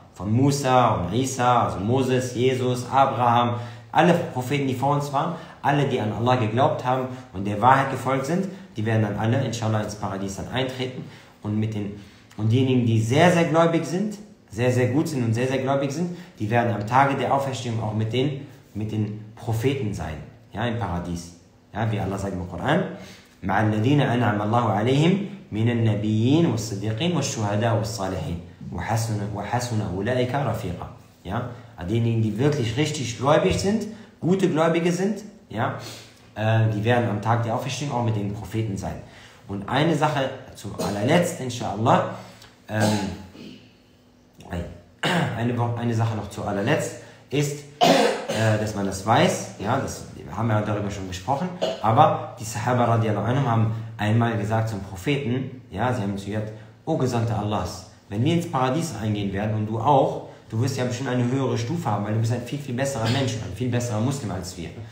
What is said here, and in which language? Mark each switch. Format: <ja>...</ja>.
<de>Von Musa und Isa, also Moses, Jesus, Abraham, alle Propheten, die vor uns waren, alle, die an Allah geglaubt haben und der Wahrheit gefolgt sind, die werden dann alle, inshallah, ins Paradies dann eintreten. Und diejenigen, die sehr, sehr gläubig sind, sehr, sehr gut sind und sehr, sehr gläubig sind, die werden am Tage der Auferstehung auch mit den Propheten sein, ja, im Paradies. Ja, wie Allah sagt im Koran,</de> <ar>مع الذين أنعم الله عليهم من النبيين والصديقين والشهداء والصالحين. وحسن أولئك رفيقا.</ar> <de>Ja, diejenigen, die wirklich richtig gläubig sind, gute Gläubige sind, ja, die werden am Tag der Auferstehung auch mit den Propheten sein. Und eine Sache zu allerletzt, inshallah, eine Sache noch zu allerletzt ist, dass man das weiß, ja, das haben wir darüber schon gesprochen, aber die Sahaba radiallahu anhum haben einmal gesagt zum Propheten, ja, sie haben gesagt, O Gesandter Allahs, wenn wir ins Paradies eingehen werden und du auch, du wirst ja bestimmt eine höhere Stufe haben, weil du bist ein viel, viel besserer Mensch, ein viel besserer Muslim als wir.</de>